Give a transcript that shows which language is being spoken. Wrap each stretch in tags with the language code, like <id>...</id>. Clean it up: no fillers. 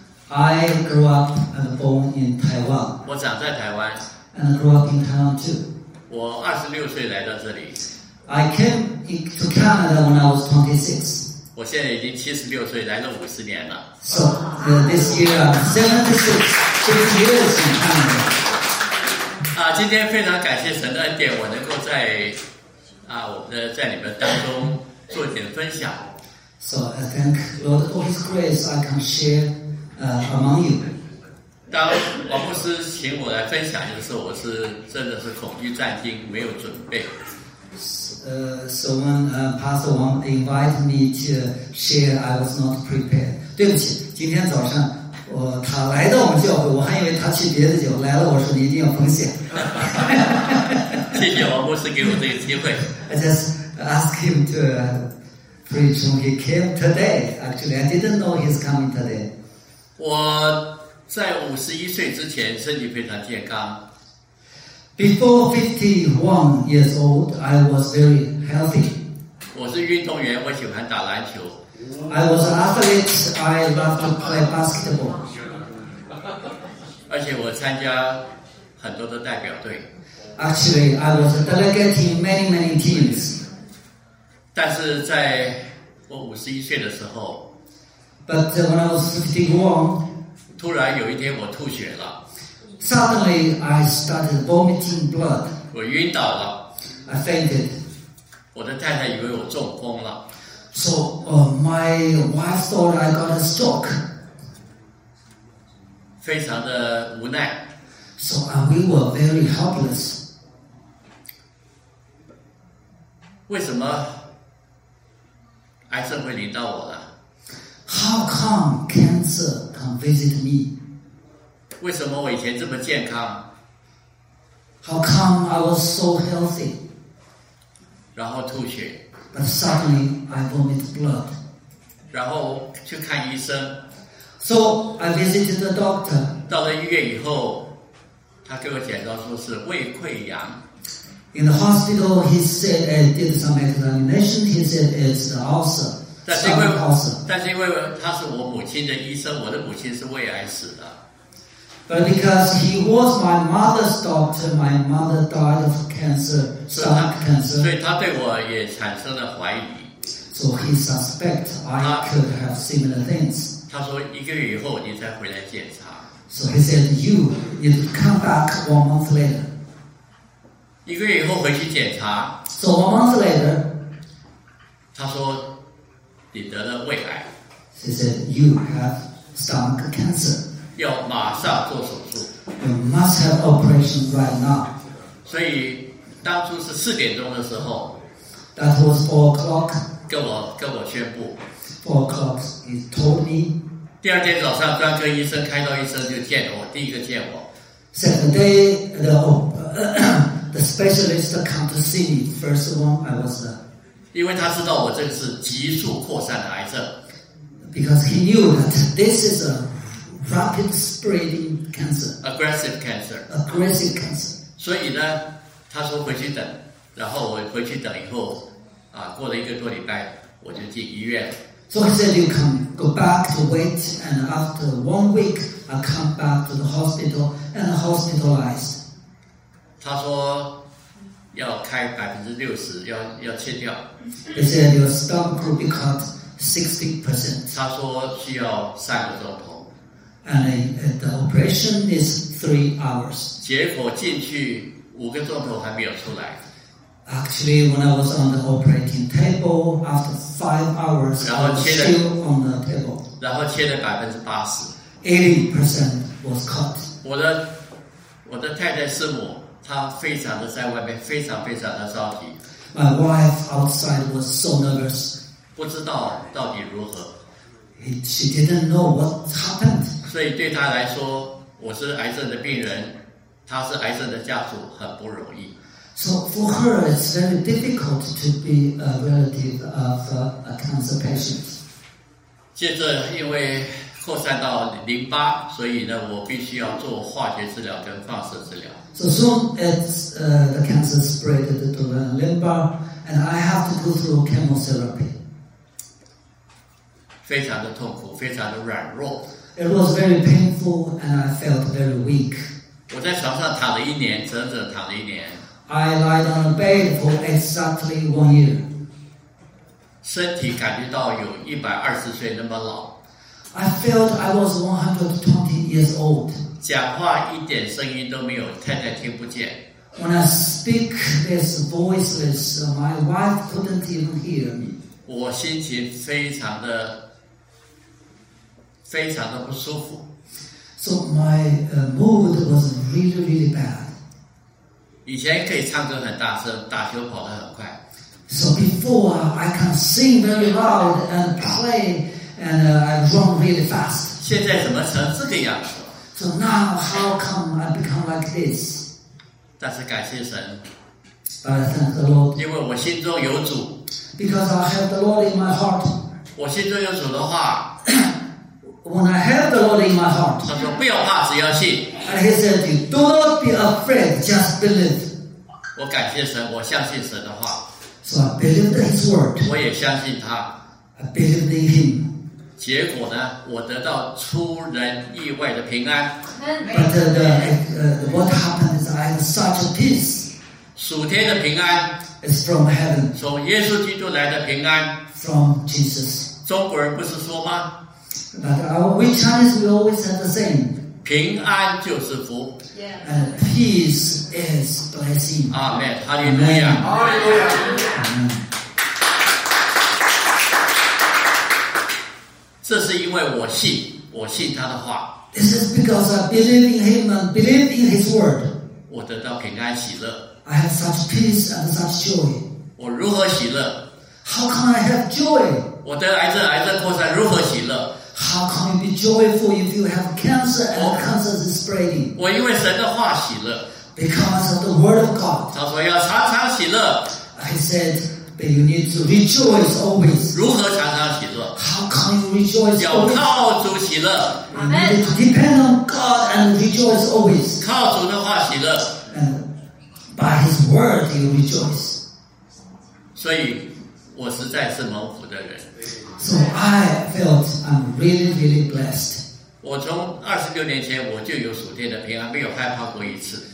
<en>I grew up and born in Taiwan.</en> <zh>我长在台湾。</zh> <en>And grew up in Taiwan too.</en> <zh>我26岁来到这里。</zh> <en>I came to Canada when I was 26.</en> <zh>我现在已经76岁，来了50年了。</zh> <en>So, this year I'm 76, 50 years in Canada.</en> <zh>今天非常感谢神的恩典，我能够在在你们当中做点分享。</zh> <en>So I thank Lord for His grace, I can share among you.</en> <zh>当王牧师请我来分享的时候，我是真的是恐惧战惊，没有准备。</zh> <en>So when Pastor Wang invited me to share, I was not prepared.</en> <zh>对不起，今天早上他来到我们教会，我还以为他去别的教会来了，我说你一定要奉献。谢谢王牧师给我这个机会。</zh> <en>I just asked him to preach when he came today. Actually, I didn't know he's coming today.</en> <zh>我在51岁之前身体非常健康。</zh> <en>Before 51 years old, I was very healthy.</en> <zh>我是运动员，我喜欢打篮球。</zh> <en>I was an athlete. I love to play basketball.</en> <zh>而且我参加很多的代表队。</zh> <en>Actually, I was a delegate in many, many teams.</en> <zh>但是在我51岁的时候。</zh> <en>But when I was 51,</en> <zh>突然有一天我吐血了。</zh> <en>Suddenly, I started vomiting blood.</en> <zh>我晕倒了。</zh> <en>I fainted.</en> <zh>我的太太以为我中风了。</zh> <en>So, my wife thought I got a stroke.</en> <zh>非常的无奈。</zh> <en>So, we were very helpless.</en> <zh>为什么癌症会临到我呢？</zh> <en>How come cancer can visit me?</en> <zh>为什么我以前这么健康？</zh> <en>How come I was so healthy?</en> <zh>然后吐血。</zh> <en>But suddenly I vomited blood.</en> <zh>然后去看医生。</zh> <en>So I visited the doctor.</en> <zh>到了医院以后，他给我检查说是胃溃疡。</zh> <en>In the hospital, he said I did some examination. He said it's an ulcer.</en> <zh>但是因为他是我母亲的医生，我的母亲是胃癌死的。</zh> <en>But because he was my mother's doctor, my mother died of cancer, stomach cancer.</en> <zh>所以他对我也产生了怀疑。</zh> <en>So he suspect I could have similar things.</en> <zh>他说一个月以后你再回来检查。</zh> <en>So he said you need to come back 1 month later.</en> <zh>一个月以后回去检查。</zh> <en>So 1 month later,</en> <zh>他说你得了胃癌。</zh> <en>He said you have stomach cancer.</en> <zh>要马上做手术。</zh> <en>You must have operation right now.</en> <zh>所以当初是四点钟的时候。</zh> <en>That was 4 o'clock.</en> <zh>跟我宣布。</zh> <en>4 o'clock, he told me.</en> <zh>第二天早上，专科医生、开刀医生就见我，第一个见我。</zh> <en>Second day, the specialist come to see me. First one, I was there.</en> <zh>因为他知道我这个是急速扩散的癌症。</zh> <en>Because he knew that this is a rapid spreading cancer, aggressive cancer, aggressive cancer.</en> <zh>所以呢，他说回去等，然后我回去等以后，过了一个多礼拜，我就进医院。</zh> <en>So he said you can go back to wait, and after 1 week, I come back to the hospital and hospitalize.</en> <zh>他说要开60%，要切掉。</zh> <en>He said your stomach will be cut 60%.</en> <zh>他说需要3个钟头。</zh> <en>And the operation is 3 hours.</en> <zh>结果进去5个钟头还没有出来。</zh> <en>Actually, when I was on the operating table, after 5 hours, I was still on the table.</en> <zh>然后切了80%。</zh> <en>80% was cut.</en> <zh>我的太太师母，她非常的在外面非常非常的着急。</zh> <en>My wife outside was so nervous.</en> <zh>不知道到底如何。</zh> <en>She didn't know what happened.</en> <zh>所以对他来说，我是癌症的病人，他是癌症的家属，很不容易。</zh> <en>So for her, it's very difficult to be a relative of a cancer patient.</en> <zh>接着，因为扩散到淋巴，所以呢，我必须要做化学治疗跟放射治疗。</zh> <en>So soon as the cancer spread to the lymph, and I have to go through chemotherapy.</en> <zh>非常的痛苦，非常的软弱。</zh> <en>It was very painful, and I felt very weak.</en> <zh>我在床上躺了一年，整整躺了一年。</zh> <en>I lied on a bed for exactly 1 year.</en> <zh>身体感觉到有120岁那么老。</zh> <en>I felt I was 120 years old.</en> <zh>讲话一点声音都没有，太太听不见。</zh> <en>When I speak, it's voiceless. My wife couldn't even hear me.</en> <zh>我心情非常的不舒服。</zh> <en>So my mood was really, really bad.</en> <zh>以前可以唱歌很大声，打球跑得很快。</zh> <en>So before I can sing very loud and play and I run really fast.</en> <zh>现在怎么成这个样子</zh> <en>？So now how come I become like this?</en> <zh>但是感谢神。</zh> <en>But thank the Lord.</en> <zh>因为我心中有主。</zh> <en>Because I have the Lord in my heart.</en> <zh>我心中有主的话。</zh> <en>When I have the Lord in my heart,</en> <zh>他说不要怕，只要信。</zh> <en>And he said, "Do not be afraid, just believe."</en> <zh>我感谢神，我相信神的话。</zh> <en>So I believed his word.</en> <zh>我也相信他。</zh> <en>I believed in him.</en> <zh>结果呢，我得到出人意外的平安。</zh> <en>But what happened is I have such a peace.</en> <zh>属天的平安</zh> <en>is from heaven.</en> <zh>从耶稣基督来的平安</zh> <en>from Jesus.</en> <zh>中国人不是说吗？</zh> <en>But we Chinese we always have the same.</en> <zh>平安就是福。</zh> <en>Yeah. And peace is blessing. Amen. Hallelujah. Hallelujah.</en> <zh>这是因为我信他的话。</zh> <en>This is because I believe in him and believe in his word.</en> <zh>我得到平安喜乐。</zh> <en>I have such peace and such joy.</en> <zh>我如何喜乐</zh> <en>？How can I have joy?</en> <zh>我得癌症扩散如何喜乐？</zh> <en>How can you be joyful if you have cancer and cancer is spreading?</en> <zh>我因为神的话喜乐。</zh> <en>Because of the word of God.</en> <zh>他说要常常喜乐。</zh> <en>I said, but you need to rejoice always.</en> <zh>如何常常喜乐？</zh> <en>How can you rejoice always?</en> <zh>要靠主喜乐。</zh> <en>Amen. Depend on God and rejoice always.</en> <zh>靠主的话喜乐。</zh> <en>And by his word you rejoice.</en> <zh>所以我实在是蒙福的人。</zh> <en>So I felt I'm really, really blessed.</en> <zh>我从26年前我就有属天的平安，没有害怕过一次。</zh>